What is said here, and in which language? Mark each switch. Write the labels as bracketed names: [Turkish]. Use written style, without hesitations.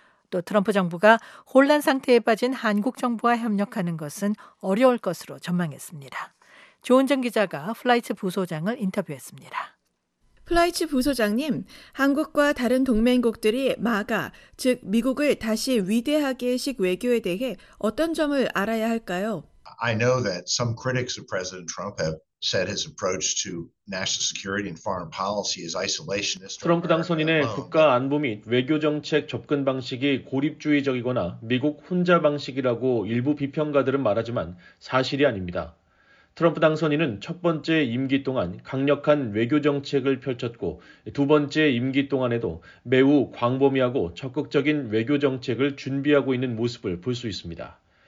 [Korean] 또 트럼프 정부가 혼란 상태에 빠진 한국 정부와 협력하는 것은 어려울 것으로 전망했습니다. 조은정 기자가 플라이츠 부소장을 인터뷰했습니다. 플라이츠 부소장님, 한국과 다른 동맹국들이 마가, 즉 미국을 다시 위대하게 식 외교에 대해 어떤 점을 알아야 할까요? [English] I know that some critics of President Trump have said his approach to national security and foreign policy is isolationist. [Korean] 트럼프 당선인의 국가 안보 및 외교 정책 접근 방식이 고립주의적이거나 미국 혼자 방식이라고 일부 비평가들은 말하지만 사실이 아닙니다. 트럼프 당선인은 첫 번째 임기 동안 강력한 외교 정책을 펼쳤고 두 번째 임기 동안에도 매우 광범위하고 적극적인 외교 정책을 준비하고 있는 모습을 볼 수 있습니다.